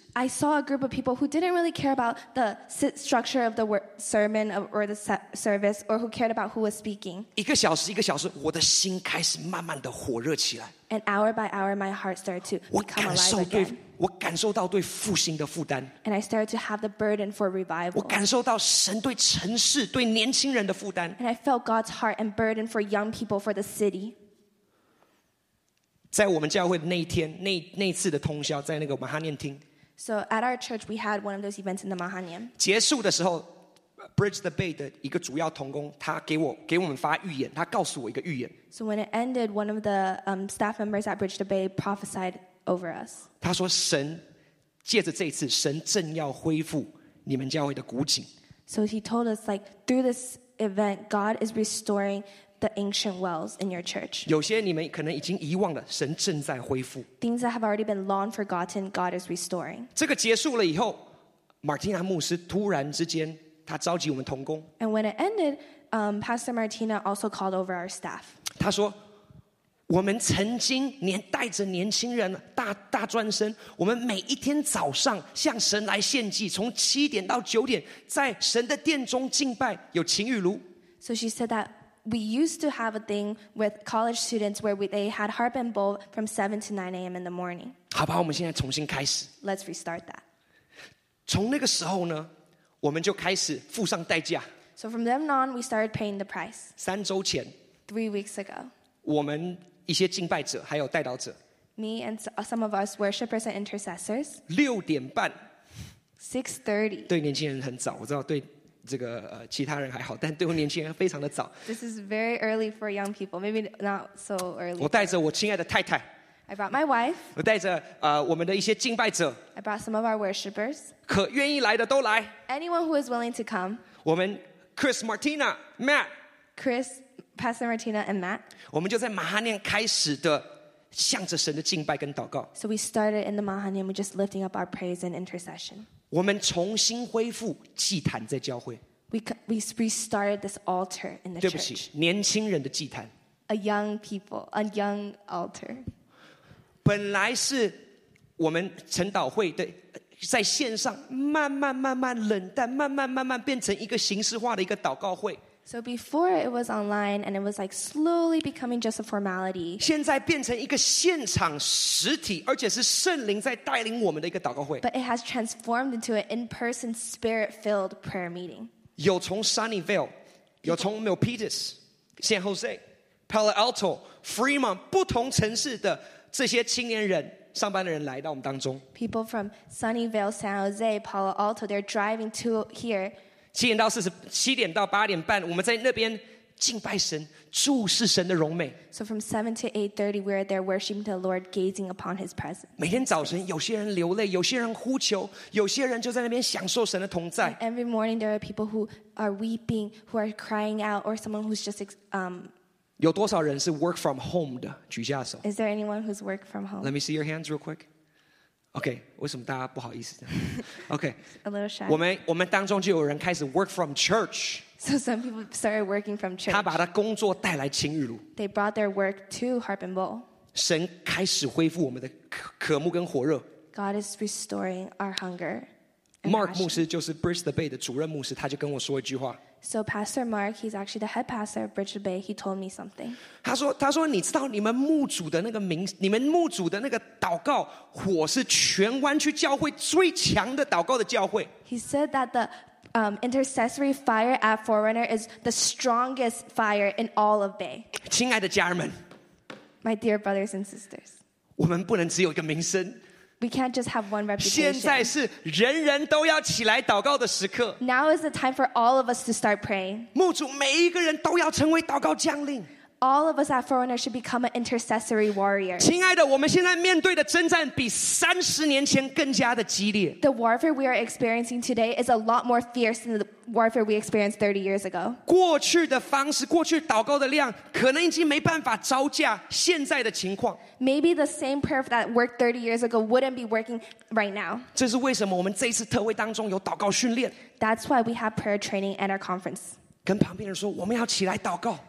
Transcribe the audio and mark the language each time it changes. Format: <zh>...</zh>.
<en>I saw a group of people who didn't really care about the structure of the sermon or the service, or who cared about who was speaking.</en> <zh>一个小时，一个小时，我的心开始慢慢的火热起来。</zh> <en>And hour by hour, my heart started to become alive again.</en> <zh>我感受到对复兴的负担。</zh> <en>And I started to have the burden for revival.</en> <zh>我感受到神对城市、对年轻人的负担。</zh> <en>And I felt God's heart and burden for young people, for the city.</en> <zh>在我们教会的那一天，那次的通宵，在那个马哈念厅。</zh> <en>So at our church, we had one of those events in the Mahanaim.</en> <zh>结束的时候 ，Bridge the Bay 的一个主要同工，他给我们发预言，他告诉我一个预言。</zh> <en>So when it ended, one of the staff members at Bridge the Bay prophesied over us.</en> <zh>他说神借着这一次，神正要恢复你们教会的古井。</zh> <en>So he told us, like through this event, God is restoring the ancient wells in your church.</en> <zh>有些你们可能已经遗忘了，神正在恢复。</zh> <en>Things that have already been long forgotten, God is restoring.</en> <zh>这个结束了以后，马蒂娜牧师突然之间，他召集我们同工。</zh> <en>And when it ended, Pastor Martina also called over our staff.</en> <zh>他说。我们曾经连带着年轻人大专生，我们每一天早上向神来献祭，从七点到九点在神的殿中敬拜，有情欲炉。</zh> <en>So she said that we used to have a thing with college students where they had harp and bowl from 7 to 9 a.m. in the morning.</en> <zh>好吧，我们现在重新开始。</zh> <en>Let's restart that.</en> <zh>从那个时候呢，我们就开始付上代价。</zh> <en>So from then on, we started paying the price.</en> <zh>三周前。</zh> <en>3 weeks ago.</en> <zh>我们一些敬拜者还有代祷者</zh> <en>Me and some of us worshippers and intercessors</en> <zh>六点半</zh> <en>6:30</en> <zh>对年轻人很早我知道对这个其他人还好但对我年轻人非常的早</zh> <en>This is very early for young people Maybe not so early</en> <zh>我带着我亲爱的太太</zh> <en>I brought my wife</en> <zh>我带着我们的一些敬拜者</zh> <en>I brought some of our worshippers</en> <zh>可愿意来的都来</zh> <en>Anyone who is willing to come</en> <zh>我们 Chris, Martina, Matt</zh> <en>ChrisPastor Martina and Matt.</en> <zh>我们就在马哈念开始的向着神的敬拜跟祷告。</zh> <en>So we started in the Mahanaim, we're just lifting up our praise and intercession.</en> <zh>我们重新恢复祭坛在教会。</zh> <en>We restarted this altar in the church.</en> <zh>对不起，年轻人的祭坛。</zh> <en>A young people, a young altar.</en> <zh>本来是我们晨祷会的。在线上慢慢慢慢冷淡，慢慢慢慢变成一个形式化的一个祷告会。</zh> <en>So before it was online and it was like slowly becoming just a formality.</en> <zh>现在变成一个现场实体，而且是圣灵在带领我们的一个祷告会。</zh> <en>But it has transformed into an in-person, spirit-filled prayer meeting.</en> <zh>有从 Sunnyvale, 有从 Milpitas, San Jose, Palo Alto, Fremont 不同城市的这些青年人。上班的人来到我们当中。</zh> <en>People from Sunnyvale, San Jose, Palo Alto, they're driving to here.</en> <zh>7点到8点半，我们在那边敬拜神，注视神的荣美。</zh> <en>So from 7 to 8:30, we're there worshiping the Lord, gazing upon His presence.</en> <zh>每天早晨，有些人流泪，有些人呼求，有些人就在那边享受神的同在。</zh> <en>And every morning, there are people who are weeping, who are crying out, or someone who's just</en> <zh>有多少人是</zh> <en>work from home</en> <zh>的？举下手。</zh> <en>Is there anyone who's work from home? Let me see your hands real quick.</en> <zh>Okay, 为什么大家不好意思 ？Okay,</zh> <en>a little shy.</en> <zh>我们当中就有人开始</zh> <en>work from church. So some people started working from church.</en> <zh>他把他工作带来青玉炉。</zh> <en>They brought their work to Harp and Bowl.</en> <zh>神开始恢复我们的渴慕跟火热。</zh> <en>God is restoring our hunger.</en> <zh>Mark 牧师就是 Bridge the Bay 的主任牧师，他就跟我说一句话。</zh> <en>So Pastor Mark, he's actually the head pastor of Bridge the Bay. He told me something.</en> <zh>他说你知道你们牧主的那个名，你们牧主的那个祷告火是全湾区教会最强的祷告的教会。</zh> <en>He said that the intercessory fire at Forerunner is the strongest fire in all of Bay.</en> <zh>亲爱的家人们</zh> <en>，My dear brothers and sisters,</en> <zh>我们不能只有一个名声。</zh> <en>We can't just have one reputation.</en> <zh>现在是人人都要起来祷告的时刻。</zh> <en>Now is the time for all of us to start praying.</en> <zh>牧主每一个人都要成为祷告将领。</zh> <en>All of us at Forerunner should become an intercessory warrior.</en> <zh>亲爱的，我们现在面对的征战比30年前更加的激烈。</zh> <en>The warfare we are experiencing today is a lot more fierce than the warfare we experienced 30 years ago.</en> <zh>过去的方式，过去祷告的量，可能已经没办法招架现在的情况。</zh> <en>Maybe the same prayer that worked 30 years ago wouldn't be working right now.</en> <zh>这是为什么我们这一次特会当中有祷告训练。</zh> <en>That's why we have prayer training at our conference.</en> <zh>跟旁边人说，我们要起来祷告。</zh>